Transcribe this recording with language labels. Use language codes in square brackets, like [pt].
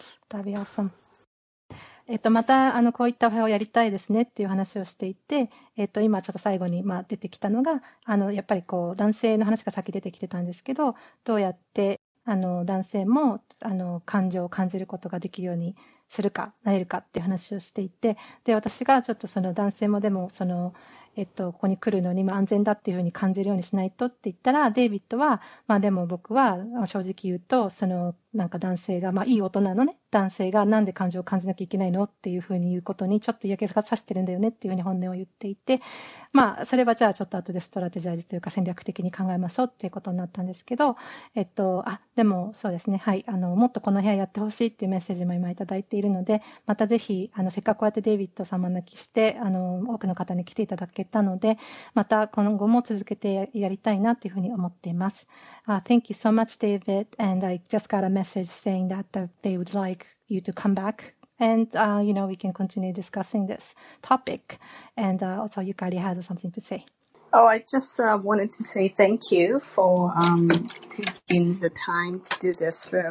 [en] That'd be awesome. [ja] またこういったお部屋をやりたいですねっていう話をしていて、今ちょっと最後に、まあ、出てきたのがやっぱりこう男性の話が先出てきてたんですけど、どうやって男性も感情を感じることができるようにするかなれるかっていう話をしていて、で私がちょっとその男性もでもここに来るのに安全だっていうふうに感じるようにしないとって言ったら、デイビッドは、まあ、でも僕は正直言うとそのなんか男性が、まあ、いい大人のね男性がなんで感情を感じなきゃいけないのっていうふうに言うことにちょっと嫌気がさしてるんだよねっていうふうに本音を言っていて、まあそれはじゃあちょっと後でストラテジャージというか戦略的に考えましょうっていうことになったんですけど、あでもそうですね、はい、もっとこの部屋やってほしいっていうメッセージも今いただいているので、またぜひせっかくこうやってデイビッド様泣きして多くの方に来ていただけたので、また今後も続けてやりたいなというふうに思っています。 [en] Thank you so much, David, and I just got a message saying that they would like you to come back and you know, we can continue discussing this topic, and also Yukari has something to say. Oh, I just wanted to say thank you for taking the time to do this.